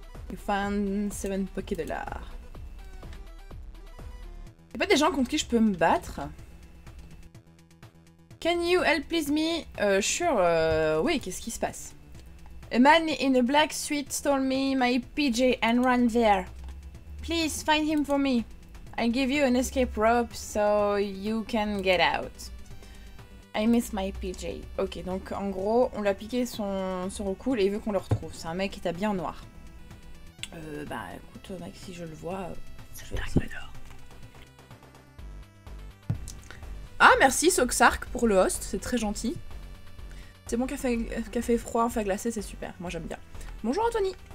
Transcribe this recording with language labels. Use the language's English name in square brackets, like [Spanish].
[English] You found 7 Pokédollars. [French] Y'a pas des gens contre qui je peux me battre? [English] Can you help please me? [French] Oui, qu'est-ce qui se passe? [English] A man in a black suit stole me my PJ and ran there. Please find him for me. I give you an escape rope so you can get out. I miss my PJ. [French] Ok, donc en gros, on l'a piqué son recul et il veut qu'on le retrouve. C'est un mec qui est habillé en noir. Écoute, mec, si je le vois... Ah, merci Soxark pour le host, c'est très gentil. C'est bon, café froid, enfin glacé, c'est super. Moi j'aime bien. Bonjour Anthony.